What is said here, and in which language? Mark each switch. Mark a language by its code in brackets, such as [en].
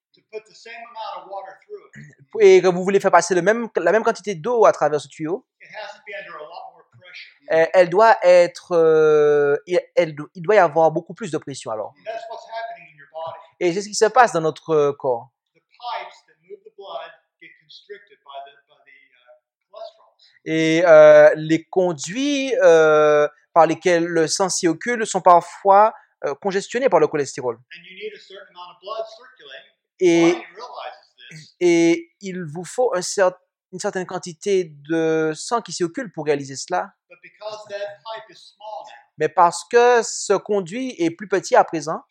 [en] to put the same amount of water through it, [fr] et que vous voulez faire passer la même quantité d'eau à travers ce tuyau, [en] it has to be under a lot more pressure. [fr] Elle doit être, il doit y avoir beaucoup plus de pression alors. [en] And that's what's happening in your body. [fr] Et c'est ce qui se passe dans notre corps. [en] The pipes that move the blood get constricted by the cholesterol. [fr] Et les conduits par lesquels le sang circule sont parfois congestionnés par le cholestérol. [en] And you need a certain amount of blood circulating. [fr] Et il vous faut une certaine quantité de sang qui circule pour réaliser cela. [en] But because that pipe is small now, [fr] mais parce que ce conduit est plus petit à présent,